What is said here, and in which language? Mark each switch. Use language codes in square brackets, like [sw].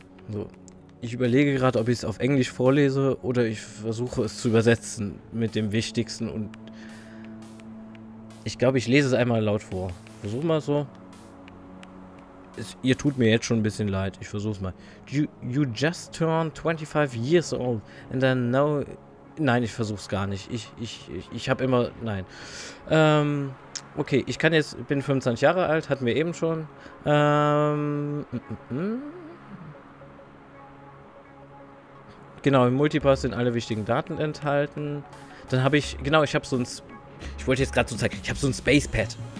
[de] So, ich überlege gerade, ob ich es auf Englisch vorlese oder ich versuche es zu übersetzen mit dem Wichtigsten. Und ich glaube, ich lese es einmal laut vor. Versuch mal so. Ihr tut mir jetzt schon ein bisschen leid. Ich versuche es mal. [en] You just turned 25 years old and then now... [de] Nein, ich versuche es gar nicht. Ich habe immer... Nein. Okay, ich kann jetzt, bin 25 Jahre alt, hatten wir eben schon. Genau, im Multipass sind alle wichtigen Daten enthalten. Dann habe ich, genau, ich habe so ein, ich wollte jetzt gerade so zeigen, ich habe so ein Spacepad.